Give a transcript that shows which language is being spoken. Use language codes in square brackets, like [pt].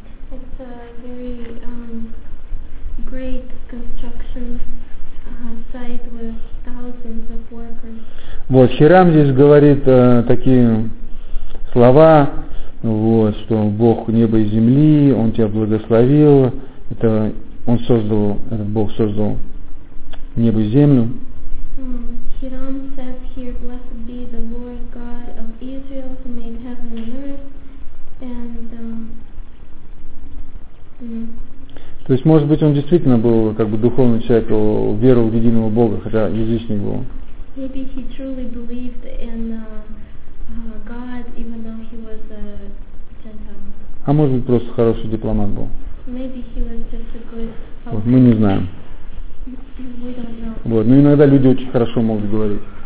[ru] Это [en] great construction site with thousands of workers. [ru] Вот, Хирам здесь говорит такие слова, вот, что Бог неба и земли, Он тебя благословил, это Он создал, этот Бог создал небо и землю. [en] Хирам says here, blessed be the Lord God of Israel who made heaven and earth. And, [ru] То есть, может быть, он действительно был как бы духовный человек, он веровал в единого Бога, хотя язычник был. [en] Maybe he truly believed in God, even though he was a Gentile. [ru] А может быть, просто хороший дипломат был. [en] Maybe he was just a good public. [ru] Вот, мы не знаем. Вот, но иногда люди очень хорошо могут говорить.